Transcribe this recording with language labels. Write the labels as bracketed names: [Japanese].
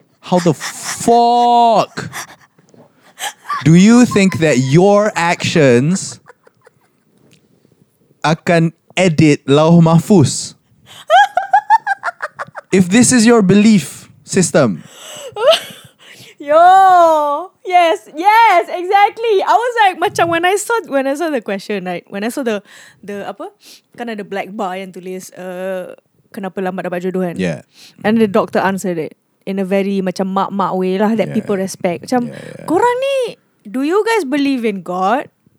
[English] How the fuck? Do you think that your actions [Malay] akan [English] edit Lauh Mahfuz? If this is your belief system. Yo. Yes, exactly. I was like, [Malay] macam [English] when I saw the question, like when I saw the apa? [Malay] Kan ada [English] black bar [Malay] yang tulis kenapa lambat dapat jodoh kan? [English] Yeah. And the doctor answered it in a very [Malay] macam mak-mak [English] way [Malay] lah [English] that people respect. [Malay] Macam korang ni, [English] do you guys believe in God?